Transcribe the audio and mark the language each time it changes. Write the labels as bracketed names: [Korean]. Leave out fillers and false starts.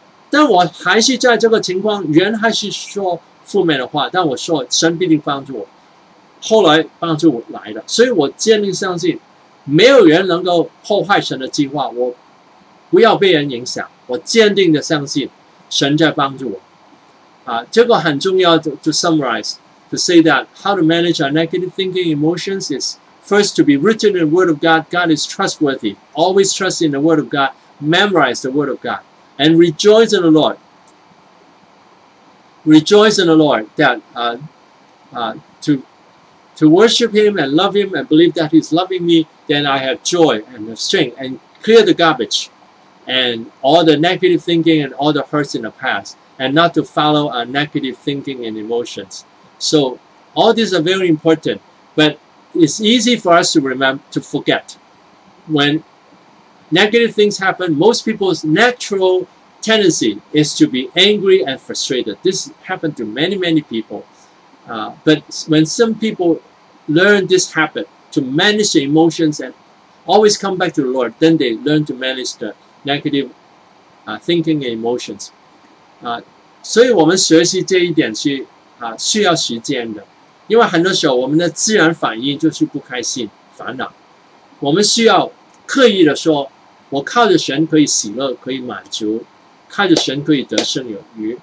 [Chinese] 但我还是在这个情况，原来是说负面的话，但我说神必定帮助我，后来帮助我来的。所以我坚定相信，没有人能够破坏神的计划，我不要被人影响，我坚定的相信神在帮助我。啊，这个很重要。 [English] To summarize, to say that how to manage our negative thinking emotions is first to be written in the Word of God. God is trustworthy. Always trust in the Word of God. Memorize the Word of God and rejoice in the Lord. Rejoice in the Lord that to worship Him and love Him and believe that He's loving me. Then I have joy and have strength and clear the garbage and all the negative thinking and all the hurts in the past. And not to follow our negative thinking and emotions. So all these are very important, but it's easy for us to remember, to forget. When negative things happen, most people's natural tendency is to be angry and frustrated. This happened to many, many people. But when some people learn this habit to manage the emotions and always come back to the Lord, then they learn to manage the negative thinking and emotions. [Chinese] 所以我们学习这一点是需要时间的，因为很多时候我们的自然反应就是不开心烦恼，我们需要刻意的说，我靠着神可以喜乐，可以满足，靠着神可以得胜有余。